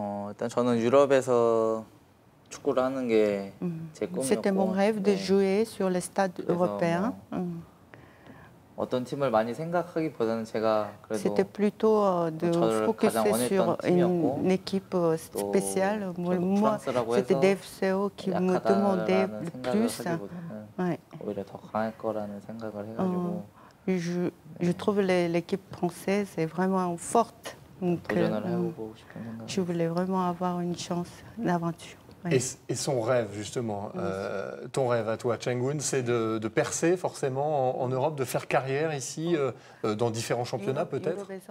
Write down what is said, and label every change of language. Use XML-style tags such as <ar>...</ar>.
<ko>일단 저는 유럽에서 축구를 하는 게 제 꿈이었고.</ko> <fr>C'était mon rêve de jouer sur les stades européens.</fr> <ko>어떤 팀을 많이 생각하기보다는 제가 그래도</ko> <fr>C'était plutôt de focuser sur une équipe spéciale. Moi, c'était DFCO qui me demandait le plus.</fr> <ko>오히려 더 강할 거라는 생각을 해가지고.</ko> <fr>Je trouve l'équipe française est vraiment forte. Donc, je voulais vraiment avoir une chance, une aventure. Oui. Et son rêve, justement, ton rêve à toi, Changun, c'est de percer forcément en Europe, de faire carrière ici, dans différents championnats peut-être.</fr>